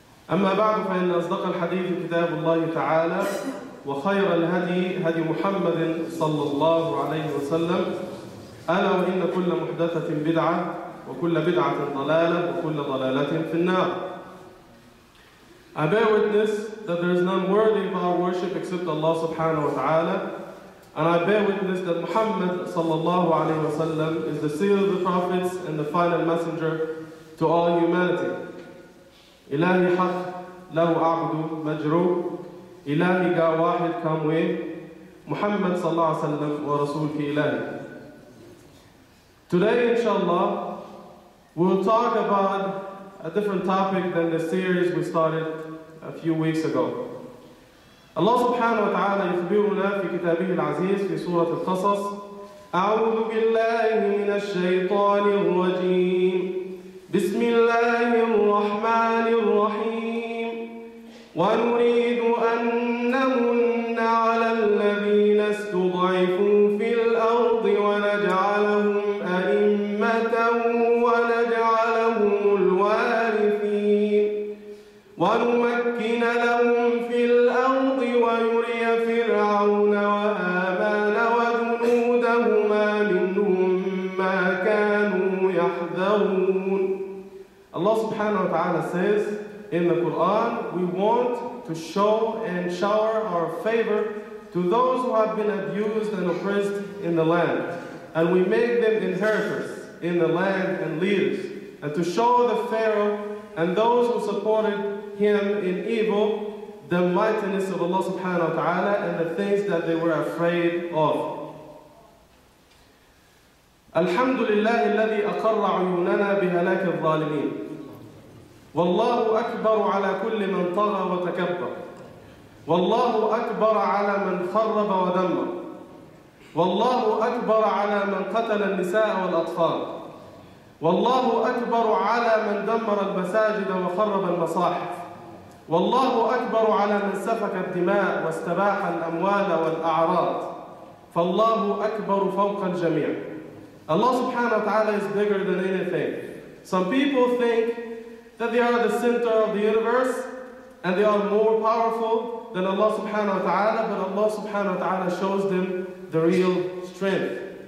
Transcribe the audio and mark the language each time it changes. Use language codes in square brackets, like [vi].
[ar] أما بعد، فإن أصدق الحديث كتاب الله تعالى، وخير الهدي هدي محمد صلى الله عليه وسلم، ألا وإن كل محدثة بدعة، وكل بدعة ضلالة، وكل ضلالة في النار. [en] I bear witness that there is none worthy of our worship except Allah subhanahu wa ta'ala, and I bear witness that Muhammad صلى الله عليه وسلم is the seal of the prophets and the final messenger to all humanity. إلهي حق له أعبد مجرو إلهي قا واحد كام وين محمد صلى الله عليه وسلم ورسولك إلهي. Today inshallah we'll talk about a different topic than the series we started a few weeks ago. [ar] الله سبحانه وتعالى يخبرنا في كتابه العزيز في سورة القصص: أعوذ بالله من الشيطان الرجيم، بسم الله الرحمن الرحيم، ونريد أن نمن على الذين استضعفوا في الأرض ونجعلهم أئمة ونجعلهم الوارثين، ونمكن لهم في الأرض ويري فرعون وهامان وجنودهما منهم ما كانوا يحذرون. [en] Allah subhanahu wa ta'ala says in the Quran, we want to show and shower our favor to those who have been abused and oppressed in the land. And we make them inheritors in the land and leaders. And to show the Pharaoh and those who supported him in evil, the mightiness of Allah subhanahu wa ta'ala and the things that they were afraid of. [ar] الحمد لله الذي أقر عيوننا بهلاك الظالمين والله أكبر على كل من طغى وتكبر والله أكبر على من خرب ودمر والله أكبر على من قتل النساء والأطفال والله أكبر على من دمر المساجد وخرب المصاحف والله أكبر على من سفك الدماء واستباح الأموال والأعراض فالله أكبر فوق الجميع. [en] Allah subhanahu wa ta'ala is bigger than anything. Some people think that they are the center of the universe and they are more powerful than Allah subhanahu wa ta'ala, but Allah subhanahu wa ta'ala shows them the real strength.